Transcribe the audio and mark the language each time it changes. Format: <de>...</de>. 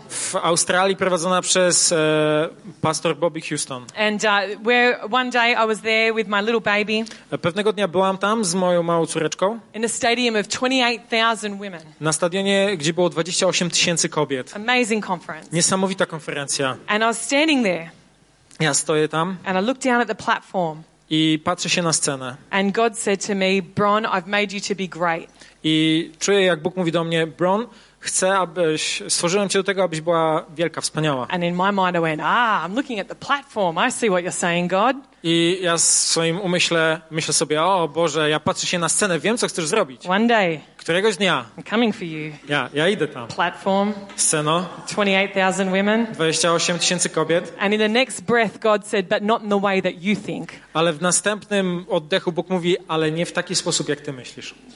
<pl>W Australii prowadzona przez Pastor Bobby Houston.</pl> <en>And where one day I was there with my little baby.</en> <pl>Pewnego dnia byłam tam z moją małą córeczką.</pl> <en>In a stadium of 28,000 women.</en> <pl>Na stadionie, gdzie było 28 tysięcy kobiet.</pl> <en>Amazing conference.</en> <pl>Niesamowita konferencja.</pl> <en>And I was standing there.</en> <pl>Ja stoję tam.</pl> <en>And I looked down at the platform.</en> <pl>I patrzę się na scenę.</pl> <en>And God said to me, Bron, I've made you to be great.</en> <pl>I czuję, jak Bóg mówi do mnie, Bron, chcę, abyś, stworzyłem cię do tego, abyś była wielka, wspaniała.</pl> <en>And in my mind I went, ah, I'm looking at the platform. I see what you're saying, God.</en> <pl>I ja w swoim umyśle myślę sobie, o Boże, ja patrzę się na scenę, wiem, co chcesz zrobić.</pl> <en>One day.</en> <pl>Któregoś dnia.</pl> <en>I'm coming for you.</en> <pl>Ja idę tam.</pl> <en>Platform.</en> <pl>Sceno.</pl> <en>28,000 women.</en> <pl>28 tysięcy kobiet.</pl> <en>And in the next breath God said, but not in the way that you think.</en> <pl>Ale w następnym oddechu Bóg mówi, ale nie w taki sposób, jak ty myślisz.</pl>